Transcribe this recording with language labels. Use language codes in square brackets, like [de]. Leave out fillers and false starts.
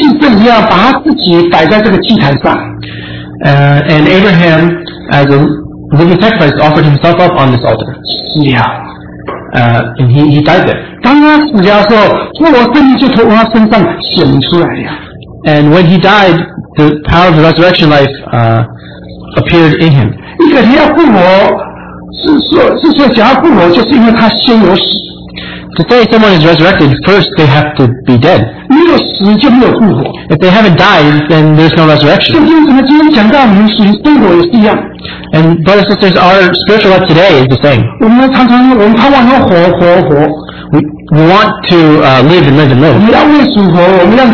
[zh] 亚伯人就像一个祭祀一样，把他自己摆在这个祭坛上。 [en] And Abraham, as a living sacrifice, offered himself up on this altar. Yeah. And he died there. [zh] 当他死掉的时候，复活生命就从他身上显出来了。 [en] And when he died, the power of the resurrection life appeared in him. [zh] 一个人要复活，是说想要复活，就是因为他先有死。 [en] To say someone is resurrected, first they have to be dead. [zh] 没有死就没有复活。 [en] If they haven't died, then there's no resurrection. [zh] 圣经怎么今天讲到我们属灵生活也是一样。 [en] And brothers and sisters, our spiritual life today is the same. [zh] 我们常常盼望要活。 [en] We want to live and live and live.